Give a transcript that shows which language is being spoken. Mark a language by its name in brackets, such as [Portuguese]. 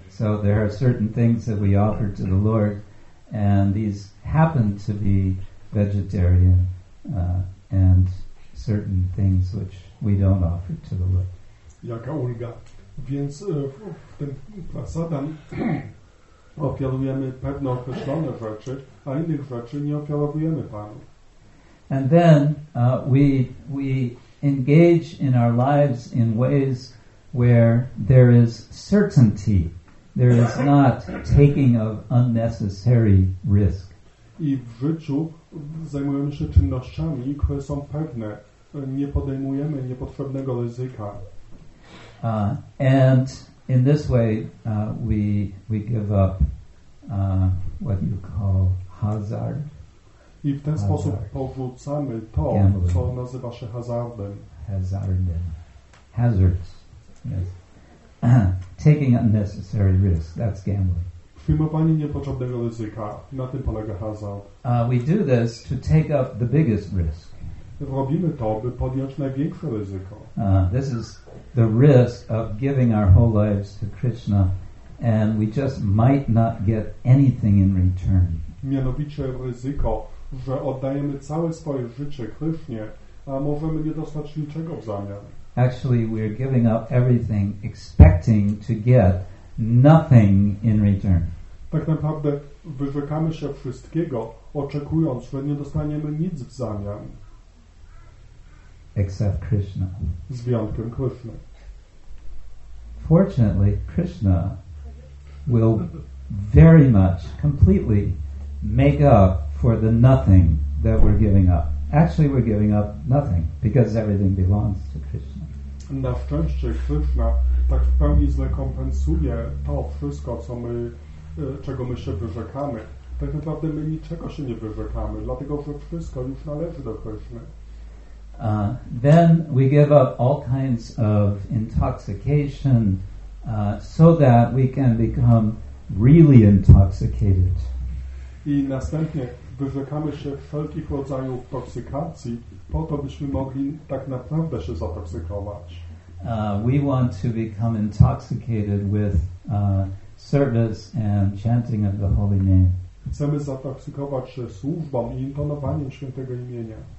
[English] So there are certain things that we offer to the Lord, and these happen to be vegetarian and certain things which we don't offer to the Lord. [Polish] Jaka ulga. Więc ten prasadam ofiarujemy pewne określone rzeczy, a innych rzeczy nie ofiarowujemy Panu. [English] And then we engage in our lives in ways where there is certainty. There is not taking of unnecessary risk. [Polish] I w życiu zajmujemy się czynnościami, które są pewne. Nie podejmujemy niepotrzebnego ryzyka. [English] And in this way we give up what you call hazard. [Polish] I w ten sposób porzucamy to, [English] gambling. [Polish] Co nazywa się hazardem. [English] Hazardem. Hazards. Yes. Taking unnecessary risks, that's gambling. [Polish] Przyjmowanie niepotrzebnego ryzyka, na tym polega hazard. [English] We do this to take up the biggest risk. [Polish] Robimy to, by podjąć największe ryzyko. [English] This is the risk of giving our whole lives to Krishna, and we just might not get anything in return. [Polish] Mianowicie ryzyko że oddajemy całe swoje życie Krysznie, a możemy nie dostać niczego w zamian. [English] Actually, we are giving up everything, expecting to get nothing in return. [Polish] Tak naprawdę wyrzekamy się wszystkiego, oczekując, że nie dostaniemy nic w zamian. [English] Except Krishna. [Polish] Z wyjątkiem Krishna. [English] Fortunately, Krishna will very much, completely make up for the nothing that we're giving up. Actually, we're giving up nothing, because everything belongs to Krishna. [Polish] Na szczęście Krishna tak w pełni zrekompensuje to wszystko, co my, czego my się wyrzekamy. Tak naprawdę my niczego się nie wyrzekamy, dlatego że wszystko już należy do Krishna. [English] Then we give up all kinds of intoxication so that we can become really intoxicated. [Polish] I następnie wyrzekamy się wszelkich rodzajów toksykacji po to, byśmy mogli tak naprawdę się zatoksykować. [English] We want to become intoxicated with service and chanting of the holy name. [Polish] Chcemy zatoksykować się służbą i intonowaniem świętego imienia.